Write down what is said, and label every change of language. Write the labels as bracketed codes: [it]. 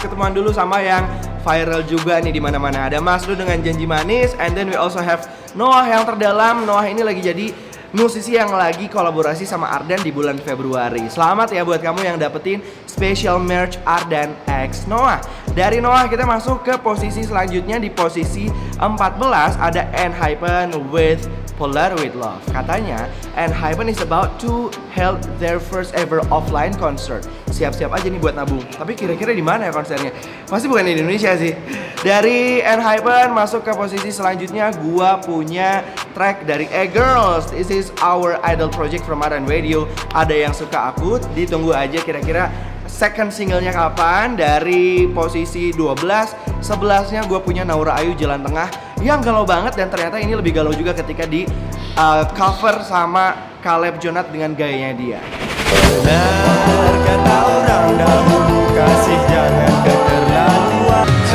[id] Ketemuan dulu sama yang viral juga nih di mana-mana. Ada Maslu dengan Janji Manis, [en] and then we also have [id] Noah yang terdalam. Noah ini lagi jadi musisi yang lagi kolaborasi sama Ardan di bulan Februari. Selamat ya buat kamu yang dapetin special merch Ardan X Noah. Dari Noah kita masuk ke posisi selanjutnya. Di posisi 14 ada N-Hypen with Polar With Love. Katanya [en] N-Hypen is about to held their first ever offline concert. [id] Siap-siap aja nih buat nabung. Tapi kira-kira di mana ya konsernya? Pasti bukan di Indonesia sih. Dari N-Hypen masuk ke posisi selanjutnya, gua punya track dari E-Girls. [en] This is our idol project from Aran Radio. [id] Ada yang suka aku, ditunggu aja kira-kira second singlenya kapan. Dari posisi 12, 11-nya gua punya Naura Ayu Jalan Tengah yang galau banget, dan ternyata ini lebih galau juga ketika di cover sama Caleb Jonat dengan gayanya dia. Benar kata orang dahulu, kasih jangan keterlaluan.